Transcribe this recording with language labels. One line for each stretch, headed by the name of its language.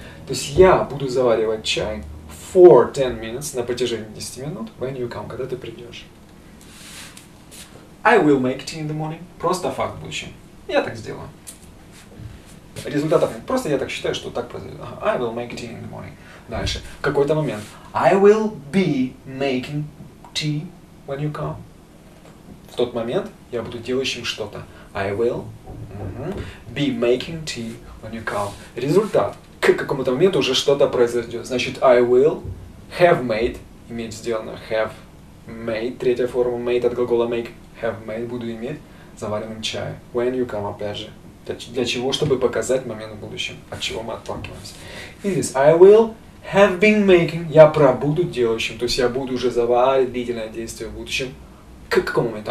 Russian: То есть я буду заваривать чай
English: for 10 minutes,
Russian: на протяжении 10 минут,
English: when you come,
Russian: когда ты придешь.
English: I will make tea in the morning —
Russian: просто факт в будущем. Я так сделаю. Результатов нет, просто я так считаю, что так произойдет.
English: I will make tea in the morning.
Russian: Дальше. Какой-то момент.
English: I will be making tea when you come.
Russian: В тот момент я буду делающим что-то.
English: I will be making tea when you come.
Russian: Результат. К какому-то моменту уже что-то произойдет. Значит,
English: I will have made
Russian: — иметь сделано. Have made — третья форма. Made — от глагола make. Have made — буду иметь. заваренным чаем.
English: When you come,
Russian: опять же. Для чего? Чтобы показать момент в будущем, от чего мы отталкиваемся.
English: It is, I will have been making,
Russian: я пробуду делающим, то есть я буду уже заваривать длительное действие в будущем. К какому моменту?